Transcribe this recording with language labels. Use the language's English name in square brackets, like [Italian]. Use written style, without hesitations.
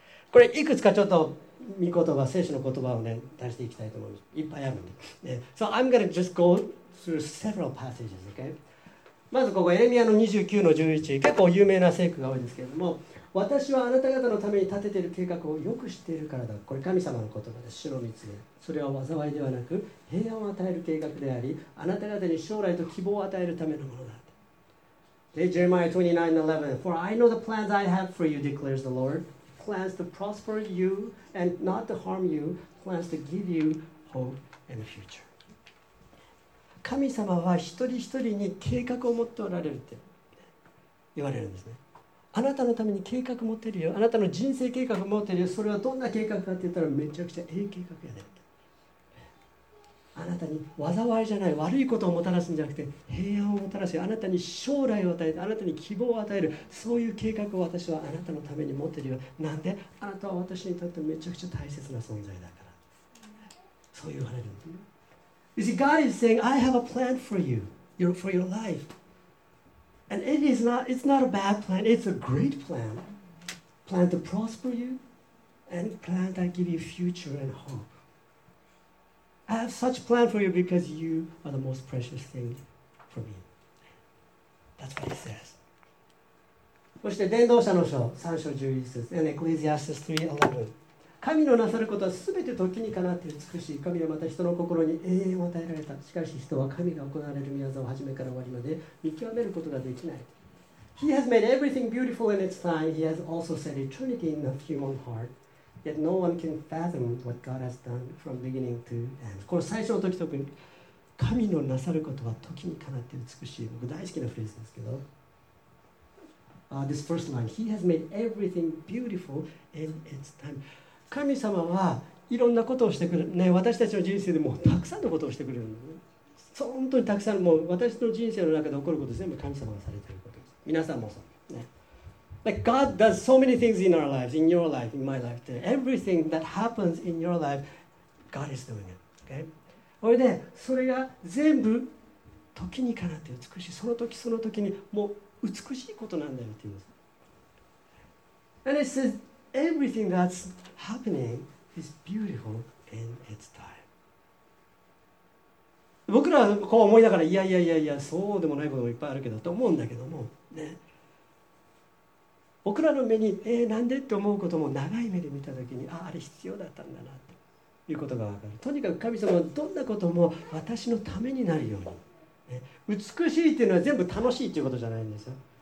[Japanese] これいくつかちょっと見言葉、聖書の言葉をね出していきたいと思います。いっぱいあるんで。So [English] I'm going to just go through several passages, okay? [Japanese] まずここエレミアの29-11、結構有名な聖句が多いですけれども、私はあなた方のために立てている計画をよく知っているからだ。これ神様の言葉です。主の御告げ、それは災いではなく平安を与える計画であり、あなた方に将来と希望を与えるためのものだ。 [English] Jeremiah 29:11, For I know the plans I have for you, declares the Lord, plans to prosper you and not to harm you, plans to give you hope and a future. [Japanese] 神様は一人一人に計画を持っておられるって言われるんですね。あなたのために計画持ってるよ、あなたの人生計画持ってるよ。それはどんな計画かって言ったら、めちゃくちゃいい計画やねって。あなたに災いじゃない、悪いことをもたらすんじゃなくて平安をもたらす、あなたに将来を与えて、あなたに希望を与える、そういう計画を私はあなたのために持ってるよ。なんで？あなたは私にとってめちゃくちゃ大切な存在だから、そう言われるんです。 [English] You see, God is saying, I have a plan for you, for your lifeAnd it is not, it's not a bad plan, it's a great plan. Plan to prosper you, and plan that give you future and hope. I have such plan for you because you are the most precious thing for me. That's what he says. [Japanese] そして伝道者の書3:11 [English] and Ecclesiastes 3:11。 [Japanese] 神のなさることはすべて時にかなって美しい。神はまた人の心に永遠を与えられた。しかし人は神が行われる御業を初めから終わりまで見極めることができない。 [English] He has made everything beautiful in its time. He has also set eternity in the human heart. Yet no one can fathom what God has done from beginning to end. [Japanese] この最初の時特に、神のなさることは時にかなって美しい。僕大好きなフレーズですけど。 [English] This first line, He has made everything beautiful in its time. [Japanese] 神様はいろんなことをしてくれる、ね、私たちの人生でもたくさんのことをしてくれるの、ね、そう本当にたくさん、もう私の人生の中で起こること全部神様がされていることです。皆さんもそう、ね、 [English] Like God does so many things in our lives, in your life, in my life too. Everything that happens in your life, God is doing it. Okay? [Japanese] それで、それが全部時にかなって美しい、その時その時にもう美しいことなんだよって言うんです。 [English] And it saysEverything that's happening is beautiful in its time. [Japanese] 僕らはこう思いながら、いやいやいやいや、そうでもないこともいっぱいあるけどと思うんだけども、ね、僕らの目に、なんでって思うことも長い目で見たときに、あれ必要だったんだなということがわかる。とにかく神様はどんなことも私のためになるように、ね、美しいっていうのは全部楽しいっていうことじゃないんですよ。